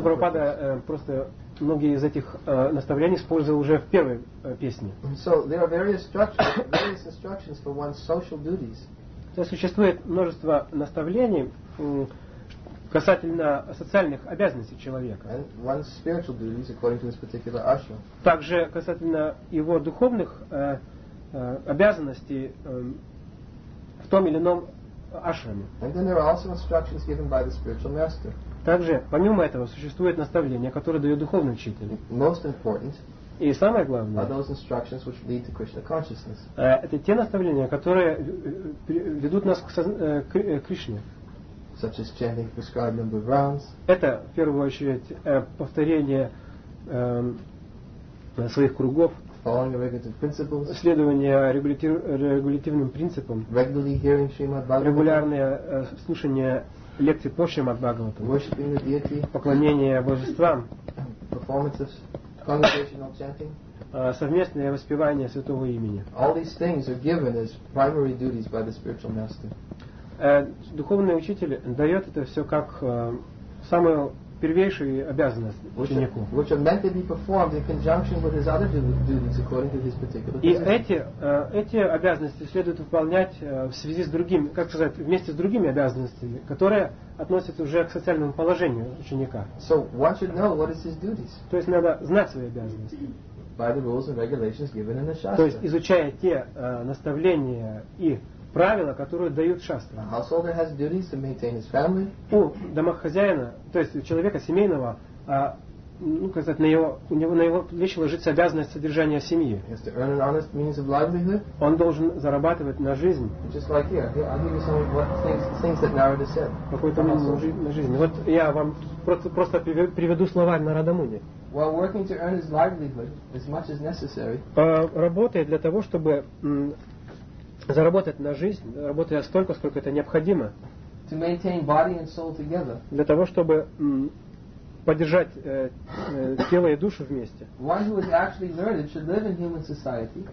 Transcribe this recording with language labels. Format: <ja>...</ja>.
<ru>Прабхупада просто многие из этих наставлений использовал уже в первой песне.</ru> <en>So there are various instructions for one's social duties.</en> <ru>То есть существует множество наставлений касательно социальных обязанностей человека.</ru> <en>And one's spiritual duties according to this particular ashram.</en> <ru>Также касательно его духовных обязанностей в том или ином ашраме.</ru> <en>And then there are also instructions given by the spiritual master.</en> <ru>Также, помимо этого, существует наставление, которое дает духовный учитель.</ru> <en>Most important</en> <ru>и самое главное</ru> <en>are those instructions which lead to Krishna consciousness.</en> <ru>Это те наставления, которые ведут нас к Кришне.</ru> <en>Such as chanting prescribed number of rounds.</en> <ru>Это, в первую очередь, повторение своих кругов.</ru> <en>Following the regulative principles.</en> <ru>Следование регулятивным принципам.</ru> <en>Regularly hearing Shrimad Bhagavatam.</en> <ru>Регулярное слушание лекций по Шримад Бхагаватам.</ru> <en>Worshiping the deity.</en> <ru>Поклонение божествам.</ru> <en>Performance of congregational chanting.</en> <ru>Совместное воспевание святого имени.</ru> <en>All these things are given as primary duties by the spiritual master.</en> <ru>Духовный учитель дает это все как самую первейшие обязанности ученику.</ru> <en>Which are meant to be performed in conjunction with his other duties according to his particular position.</en> <ru>И эти обязанности следует выполнять в связи с другими, как сказать, вместе с другими обязанностями, которые относятся уже к социальному положению ученика.</ru> <en>So one should know what is his duties.</en> <ru>То есть надо знать свои обязанности.</ru> <en>By the rules and regulations given in the Shastra.</en> <ru>То есть изучая те наставления и правила, которые дают шастра.</ru> <en>A householder has duties to maintain his family.</en> <ru>У домохозяина, то есть у человека семейного, как сказать, на его плечи ложится обязанность содержания семьи.</ru> <en>He has to earn an honest means of livelihood.</en> <ru>Он должен зарабатывать на жизнь.</ru> <en>Just like here, I'll give you some of what things that Narada said.</en> <ru>Какой-то на жизнь. Вот я вам просто приведу слова Нарада Муни.</ru> <en>While working to earn his livelihood as much as necessary.</en> <ru>Работает для того, чтобы заработать на жизнь, работая столько, сколько это необходимо,</ru> <en>to maintain body and soul together,</en> <ru>для того, чтобы поддержать тело и душу вместе.</ru> <en>One who is actually learned should live in human society.</en>